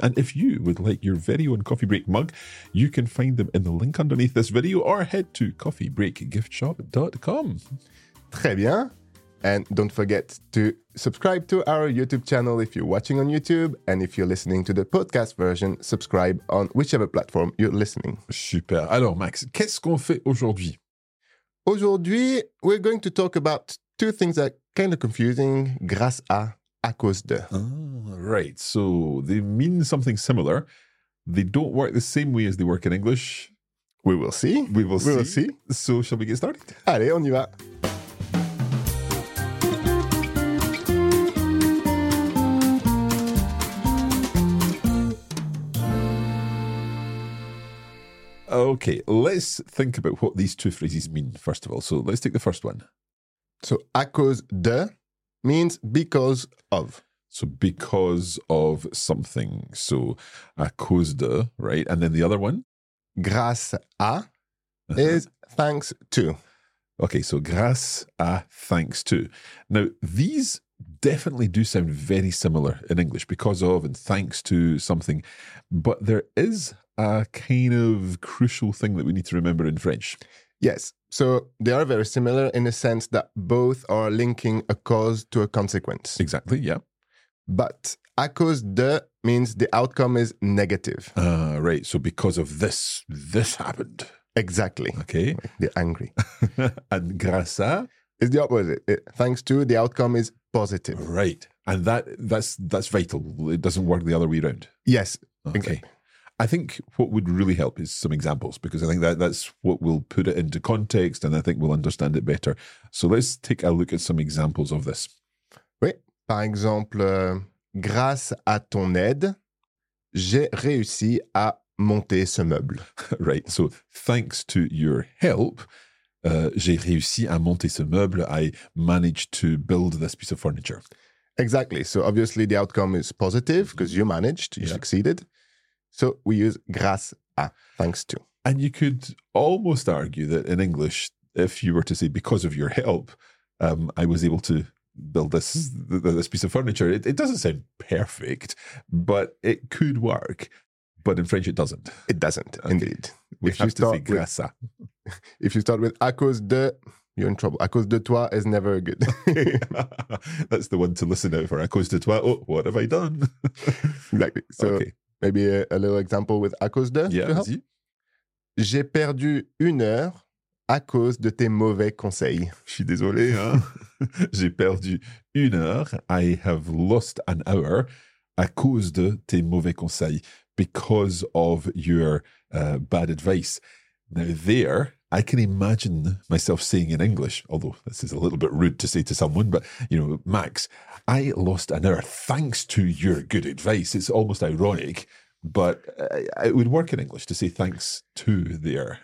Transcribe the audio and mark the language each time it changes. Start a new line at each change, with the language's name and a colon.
English: And if you would like your very own coffee break mug, you can find them in the link underneath this video or head to coffeebreakgiftshop.com.
French: Très bien.
English: And don't forget to subscribe to our YouTube channel if you're watching on YouTube. And if you're listening to the podcast version, subscribe on whichever platform you're listening. Super.
French: Alors Max, qu'est-ce qu'on fait aujourd'hui?
English: Aujourd'hui, we're going to talk about two things that are kind of confusing, grâce à cause de. Oh, right. So they mean something similar. They don't work the same way as they work in English. We will see. We will see. So shall we get started?
French: Allez, on y va.
English: Okay, let's think about what these two phrases mean, first of all. So let's take the first one. So à cause de means because of. So because of something. So à cause de, right? And then the other one? Grâce à is thanks to. Okay, so grâce à thanks to. Now, these definitely do sound very similar in English, because of and thanks to something. But there is a kind of crucial thing that we need to remember in French. Yes. So they are very similar in the sense that both are linking a cause to a consequence. Exactly, yeah. But à cause de means the outcome is negative. Right. So because of this, this happened. Exactly. Okay. They're angry. And grâce à? It's the opposite. Thanks to, the outcome is positive. Right. And that's vital. It doesn't work the other way around. Yes. Okay. Exactly. I think what would really help is some examples, because I think that's what will put it into context and I think we'll understand it better. So let's take a look at some examples of this.
French: Oui. Par exemple, grâce à ton aide, j'ai réussi à monter ce meuble.
English: Right. So thanks to your help,
French: j'ai réussi à monter ce meuble.
English: I managed to build this piece of furniture. Exactly. So obviously the outcome is positive because you managed, you succeeded. So we use grâce à, thanks to. And you could almost argue that in English, if you were to say because of your help, I was able to build this piece of furniture. It doesn't sound perfect, but it could work. But in French, it doesn't. It doesn't, okay. Indeed. We if have you start to say grâce à. If you start with à cause de, you're in trouble.
French: À cause de toi
English: is never good. That's the one to listen out for.
French: À cause de toi,
English: oh, what have I done? Exactly. So, okay. Maybe a little example with à cause de. Yeah, vas-y.
French: J'ai perdu une heure à cause de tes mauvais conseils. Je suis désolé. Hein? J'ai perdu une heure.
English: I have lost an hour
French: à cause de tes mauvais conseils.
English: Because of your bad advice. Now there, I can imagine myself saying in English, although this is a little bit rude to say to someone, but, you know, Max, I lost an hour thanks to your good advice. It's almost ironic, but it would work in English to say thanks to there.